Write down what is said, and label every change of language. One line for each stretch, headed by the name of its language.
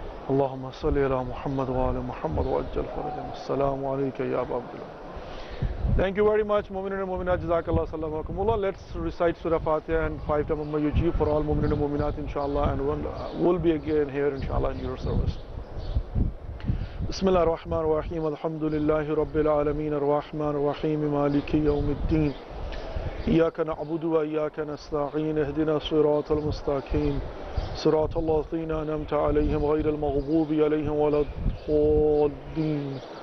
Arabic: اللهم صل على محمد وعلى محمد وعجل فرجه. السلام عليك يا ابا عبد الله.
English: Thank you very much, Mumin and Mumina. Jazakallah, Salaam alaikum. Let's recite Surah Fatiha and five times Amma Yuji for all Mumin and Muminat, inshallah, and we'll be again here, inshallah, in your service.
Arabic: بسم الله الرحمن الرحيم. الحمد لله رب العالمين, الرحمن الرحيم, مالك يوم الدين, إياك نعبد وإياك نستعين, اهدنا الصراط المستقيم, صراط الذين أنعمت عليهم غير المغضوب عليهم ولا الضالين.